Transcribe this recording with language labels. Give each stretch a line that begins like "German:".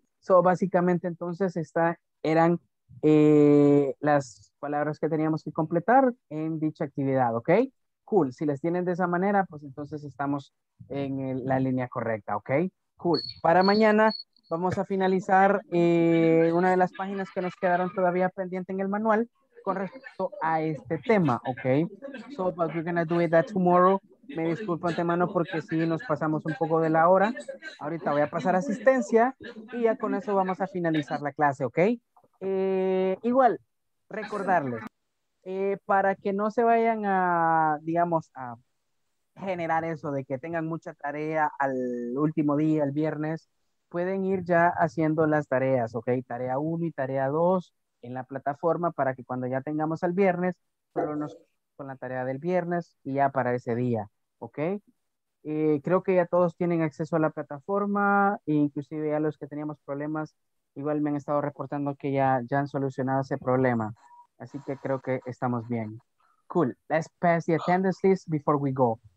Spanish: So, básicamente, entonces, estas eran las palabras que teníamos que completar en dicha actividad, okay? Cool. Si las tienen de esa manera, pues entonces estamos en la línea correcta, okay? Cool. Para mañana vamos a finalizar una de las páginas que nos quedaron todavía pendiente en el manual con respecto a este tema, okay?
English: So, but we're gonna do it that tomorrow.
Spanish: Me disculpo antemano porque sí nos pasamos un poco de la hora. Ahorita voy a pasar asistencia y ya con eso vamos a finalizar la clase, ¿ok? Igual, recordarles, para que no se vayan a, digamos, a generar eso de que tengan mucha tarea al último día, el viernes, pueden ir ya haciendo las tareas, ¿ok? Tarea 1 y tarea 2 en la plataforma para que cuando ya tengamos el viernes, solo nos con la tarea del viernes y ya para ese día, ¿ok? Creo que ya todos tienen acceso a la plataforma, inclusive ya los que teníamos problemas, igual me han estado reportando que ya han solucionado ese problema. Así que creo que estamos bien. Cool.
English: Let's pass the attendance list before we go.